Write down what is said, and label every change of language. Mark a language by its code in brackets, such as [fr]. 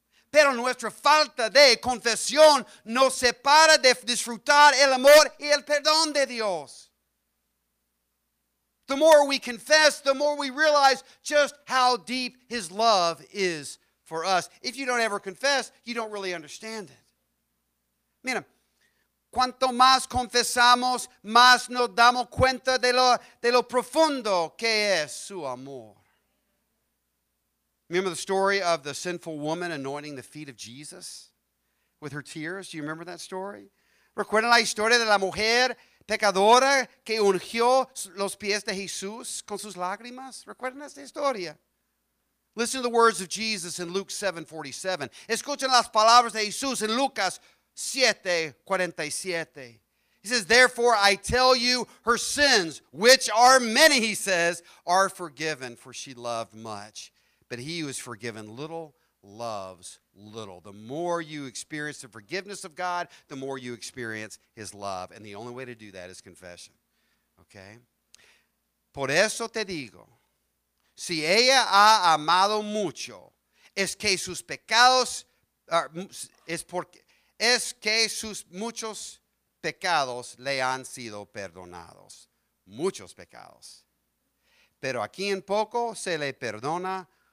[es] Pero nuestra falta de confesión nos separa de disfrutar el amor y el perdón de Dios. [en] The more we confess, the more we realize just how deep His love is for us. If you don't ever confess, you don't really understand it. [es] Mira, cuanto más confesamos, más nos damos cuenta de lo profundo que es su amor. [en] Remember the story of the sinful woman anointing the feet of Jesus with her tears? Do you remember that story? [es] ¿Recuerdan la historia de la mujer pecadora que ungió los pies de Jesús con sus lágrimas? ¿Recuerdan esta historia? [en] Listen to the words of Jesus in Luke 7:47. [es] Escuchen las palabras de Jesús en Lucas 7:47. [en] He says, "Therefore I tell you, her sins, which are many," he says, "are forgiven, for she loved much. But he who is forgiven little loves little." The more you experience the forgiveness of God, the more you experience his love. And the only way to do that is confession. Okay? [es] Por eso te digo, si ella ha amado mucho, es que sus muchos pecados le han sido perdonados. Muchos pecados. Pero aquí en poco se le perdona.